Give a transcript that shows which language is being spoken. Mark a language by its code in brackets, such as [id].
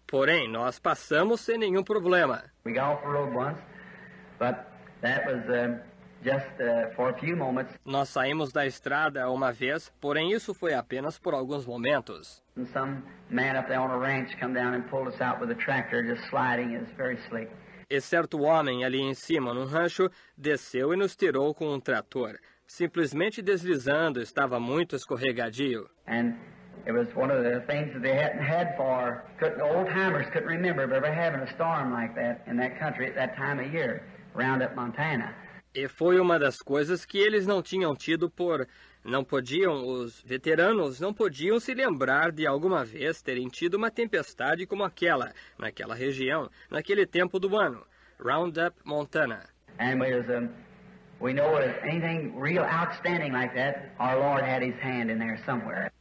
[pt] Porém, nós passamos sem nenhum problema. [en] We got off the road once, but that was Just for a few moments. [pt] Nós saímos da estrada uma vez, porém isso foi apenas por alguns momentos. [en] And some man up there on a ranch come down and pulled us out with a tractor, just sliding us very slick. [pt] E certo homem ali em cima, no rancho, desceu e nos tirou com um trator. Simplesmente deslizando, estava muito escorregadio. [en] And it was one of the things that they hadn't had for, old-timers couldn't remember of ever having a storm like that in that country at that time of year, round up Montana. [pt] E foi uma das coisas que eles não tinham tido por, não podiam, os veteranos não podiam se lembrar de alguma vez terem tido uma tempestade como aquela, naquela região, naquele tempo do ano, Roundup, Montana. [en] Anyways, we know if anything real outstanding like that, our Lord had his hand in there somewhere.